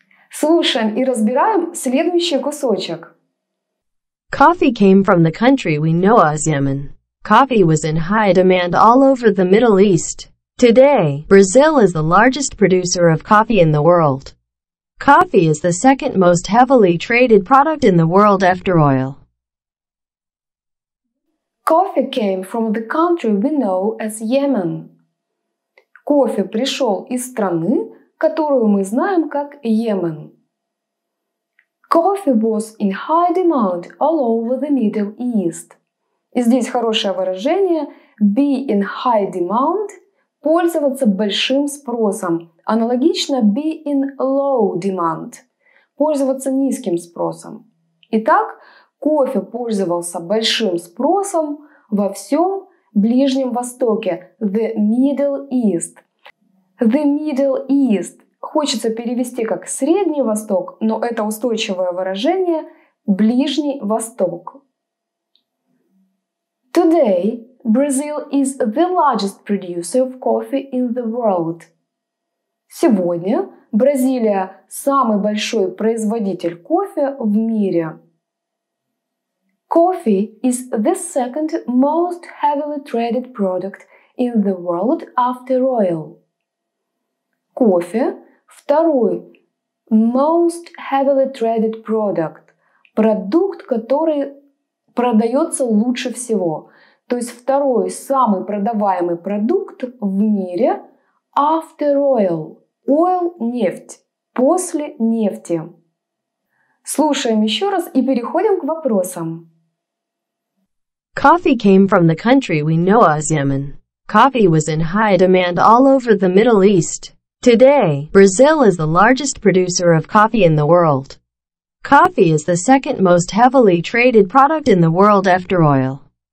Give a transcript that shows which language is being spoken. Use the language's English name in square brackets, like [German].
[Russian] Слушаем и разбираем следующий кусочек. [English] Coffee came from the country we know as Yemen. Coffee was in high demand all over the Middle East. Today, Brazil is the largest producer of coffee in the world. Coffee is the second most heavily traded product in the world after oil. Coffee came from the country we know as Yemen. [Russian] Кофе пришел из страны, которую мы знаем как Йемен. [English] Coffee was in high demand all over the Middle East. [Russian] И здесь хорошее выражение [English] be in high demand [Russian] – пользоваться большим спросом. Аналогично [English] be in low demand [Russian] – пользоваться низким спросом. Итак, кофе пользовался большим спросом во всем Ближнем Востоке, [English] the Middle East. The Middle East, [Russian] хочется перевести как «Средний Восток», но это устойчивое выражение «Ближний Восток». [English] Today, Brazil is the largest producer of coffee in the world. [Russian] Сегодня Бразилия – самый большой производитель кофе в мире. [English] Coffee is the second most heavily traded product in the world after oil. [Russian] Кофе – второй [English] most heavily traded product [Russian] – продукт, который продается лучше всего. То есть второй самый продаваемый продукт в мире [English] after oil. [Russian] Oil – нефть. После нефти. Слушаем еще раз и переходим к вопросам. [English] Coffee came from the country we know as Yemen. Coffee was in high demand all over the Middle East. Today, Brazil is the largest producer of coffee in the world. Coffee is the second most heavily traded product in the world after oil.